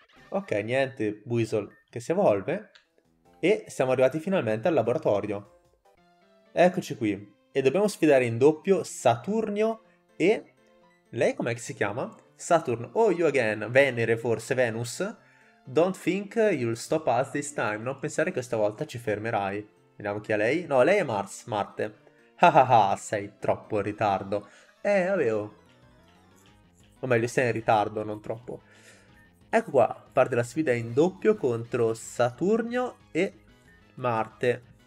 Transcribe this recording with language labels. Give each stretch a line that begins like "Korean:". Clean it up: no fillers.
Italian: Ok, niente, Buizel che si evolve. E siamo arrivati finalmente al laboratorio. Eccoci qui. E dobbiamo sfidare in doppio Saturnio e lei com'è che si chiama?
English: Saturn, oh you again,
Italian: Venere forse,
English: Venus. Don't think you'll stop us this time.
Italian: Non pensare che stavolta ci fermerai. Vediamo chi è lei. No, lei è Mars, Marte. Ah ah ah, sei troppo in ritardo. Avevo. O meglio, sei in ritardo, non troppo. Ecco qua, parte la sfida in doppio contro Saturnio e Marte.